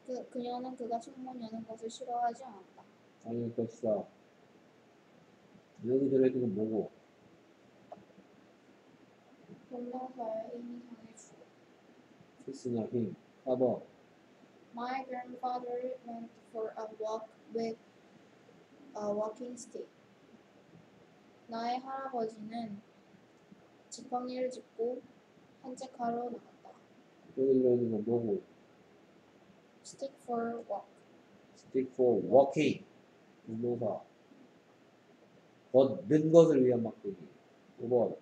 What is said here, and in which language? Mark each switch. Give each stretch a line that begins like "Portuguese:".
Korean: 그녀는 그가 창문 여는 것을 싫어하지 않았다. 아닐 것이다. 여기 들어있는 건 뭐고? 변명사의 힘이 강해지고. 키스나 힘. 4번.
English: My grandfather went for a walk with a walking stick.
Korean: 나의 할아버지는 지팡이를 짚고 산책하러 나갔다. 여기 있는 건 뭐고?
English: Stick for walk. Stick for walking.
Korean: 운동사. 걷는 것을 위한 막대기. 5번.